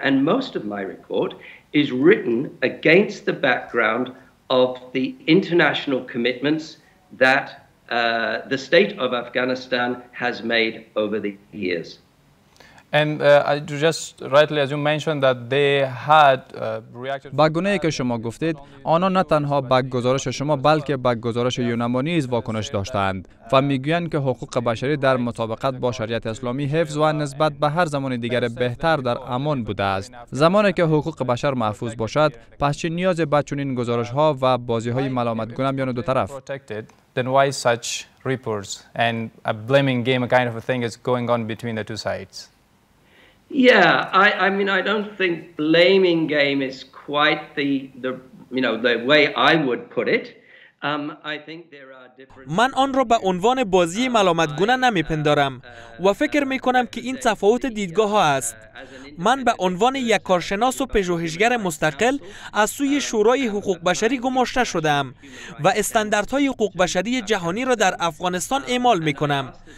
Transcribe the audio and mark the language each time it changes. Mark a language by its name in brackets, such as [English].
[English] And most of my report is written against the background of the international commitments that the state of Afghanistan has made over the years. And you just rightly, as you mentioned, that they had reacted. [Persian] با گونه‌ای که شما گفتید، آنها نه تنها با گزارش شما بلکه با گزارش یونما نیز واکنش داشتند و میگویند که حقوق بشری در مطابقت با شریعت اسلامی حفظ و نسبت به هر زمان دیگر بهتر در امان بوده است. زمانی که حقوق بشر محفوظ باشد، پس چه نیاز به چنین گزارش‌ها و بازی‌های ملامت‌گونه میان دو طرف؟ [English] Then why such reports and a blaming game, a kind of a thing, is going on between the two sides? Yeah, I mean, I don't think blaming game is quite the you know the way I would put it. I think there are different. [Persian] من آن را به عنوان بازی ملامتگونه نمیپندارم و فکر میکنم که این تفاوت دیدگاه ها است. من به عنوان یک کارشناس و پژوهشگر مستقل از سوی شورای حقوق بشری گماشته شدم و استانداردهای حقوق بشری جهانی را در افغانستان اعمال میکنم.